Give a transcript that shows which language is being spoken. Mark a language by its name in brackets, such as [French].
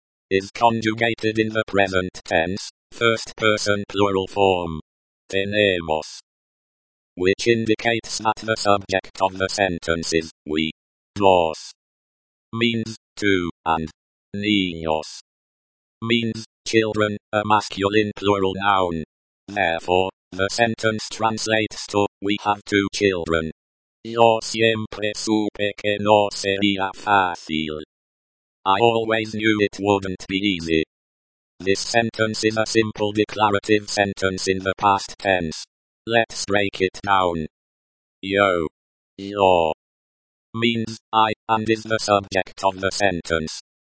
[English] Is conjugated in the present tense. First person plural form, tenemos, which indicates that the subject of the sentence is we, dos, means two, and niños, means children, a masculine plural noun. Therefore, the sentence translates to we have two children. [Spanish] Yo siempre supe que no sería fácil. [English] I always knew it wouldn't be easy. This sentence is a simple declarative sentence in the past tense. Let's break it down. Yo. Yo. Means, I, and is the subject of the sentence.